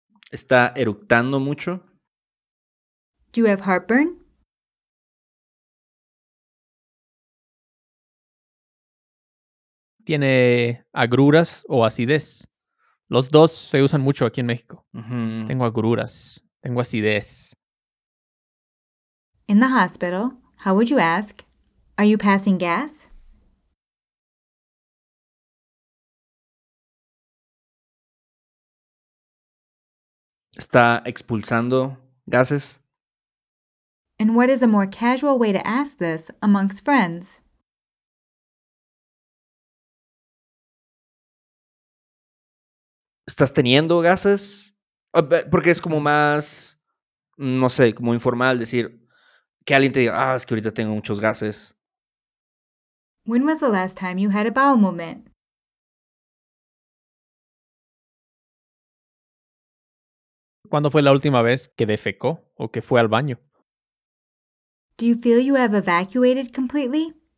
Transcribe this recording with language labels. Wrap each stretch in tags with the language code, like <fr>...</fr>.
<es>¿Está eructando mucho?</es> <en>Do you have heartburn?</en> <es>Tiene agruras o acidez. Los dos se usan mucho aquí en México. Mm-hmm. Tengo agruras. Tengo acidez.</es> <en>In the hospital, how would you ask, are you passing gas?</en> <es>¿Está expulsando gases?</es> <en>And what is a more casual way to ask this amongst friends?</en> <es>¿Estás teniendo gases? Porque es como más, no sé, como informal decir que alguien te diga, ah, es que ahorita tengo muchos gases.</es> <en>When was the last time you had a bowel movement?</en> <es>¿Cuándo fue la última vez que defecó o que fue al baño?</es> <en>Do you feel you have evacuated completely?</en>